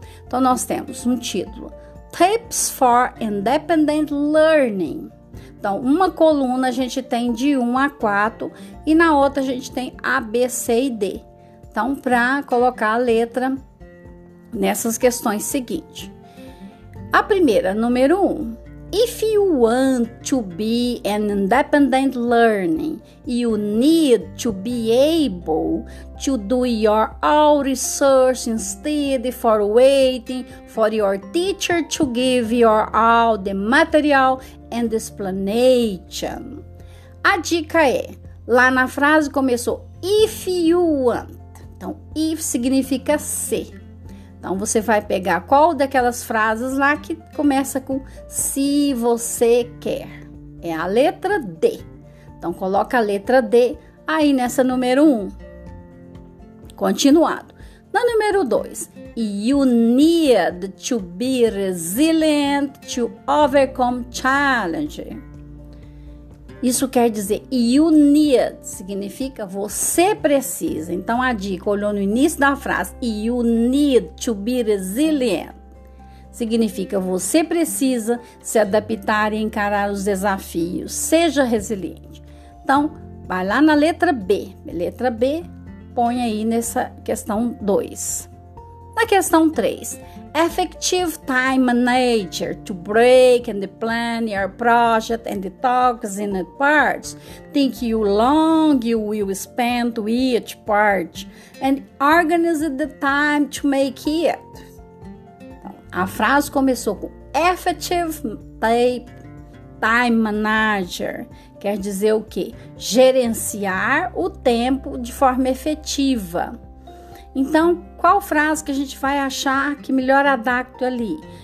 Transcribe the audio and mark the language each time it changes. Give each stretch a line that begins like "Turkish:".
Portuguese: Então, nós temos um título,
English: Tips for Independent Learning.
Portuguese: Então, uma coluna a gente tem de 1 a 4 e na outra a gente tem A, B, C e D. Então, para colocar a letra nessas questões seguintes. A primeira, número 1.
English: If you want to be an independent learner, you need to be able to do your own research instead of waiting for your teacher to give you all the material and explanation.
Portuguese: A dica é, lá na frase começou,
English: if you want.
Portuguese: Então, if significa se. Então, você vai pegar qual daquelas frases lá que começa com se você quer. É a letra D. Então, coloca a letra D aí nessa número 1. Continuado. Na número 2.
English: You need to be resilient to overcome challenge.
Portuguese: Isso quer dizer,
English: you need,
Portuguese: significa você precisa. Então, a dica, olhou no início da frase,
English: you need to be resilient,
Portuguese: significa você precisa se adaptar e encarar os desafios, seja resiliente. Então, vai lá na letra B. Letra B, põe aí nessa questão 2.
English: Na questão 3, effective time manager to break and plan your project and talks in parts. Think you long you will spend to each part and organize the time to make it.
Portuguese: Então, a frase começou com
English: effective time manager.
Portuguese: Quer dizer o quê? Gerenciar o tempo de forma efetiva. Então, qual frase que a gente vai achar que melhor adapta ali?